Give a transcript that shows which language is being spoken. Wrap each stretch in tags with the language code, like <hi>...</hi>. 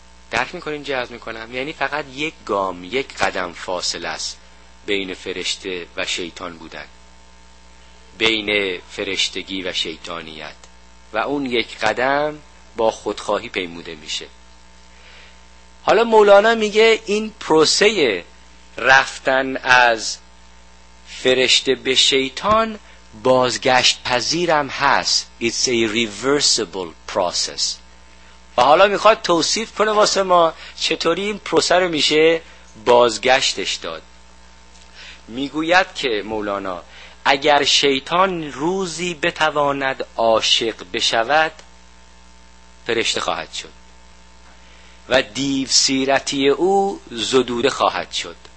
<fa>درک میکنین جهاز میکنم؟ یعنی فقط یک گام، یک قدم فاصله است بین فرشته و شیطان بودن، بین فرشتگی و شیطانیت، و اون یک قدم با خودخواهی پیموده میشه. حالا مولانا میگه این پروسه رفتن از فرشته به شیطان بازگشت پذیرم هست.</fa> <en>It's a reversible process.</en> <fa>و حالا میخواد توصیف کنه واسه ما چطوری این پروسه رو میشه بازگشتش داد. میگوید که مولانا، اگر شیطان روزی بتواند عاشق بشود فرشته خواهد شد و دیو سیرتی او زدوده خواهد شد.</fa>